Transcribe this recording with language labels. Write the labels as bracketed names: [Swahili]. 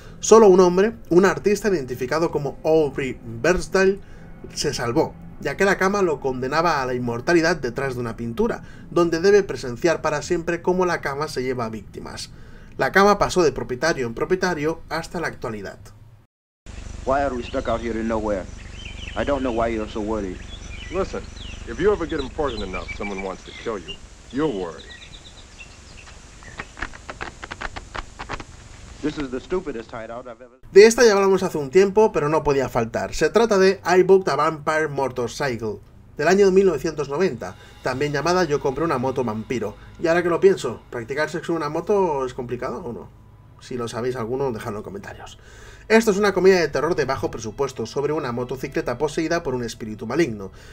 [Spanish] Solo un hombre, un artista identificado como Aubrey Bernstein, se salvó, ya que la cama lo condenaba a la inmortalidad detrás de una pintura, donde debe presenciar para siempre cómo la cama se lleva a víctimas. La cama pasó de propietario en propietario hasta la actualidad. [English] Why are we stuck out here in nowhere? I don't know why you're so worried. Listen, if you ever get important enough, someone wants to kill you, you'll worry. This is the stupidest hideout I've ever... [Spanish] De esta ya hablamos hace un tiempo, pero no podía faltar. Se trata de I Booked a Vampire Motorcycle, del año 1990, también llamada Yo compré una moto vampiro. Y ahora que lo pienso, ¿practicar sexo en una moto es complicado o no? Si lo sabéis alguno, dejadlo en comentarios. Esto es una comedia de terror de bajo presupuesto sobre una motocicleta poseída por un espíritu maligno.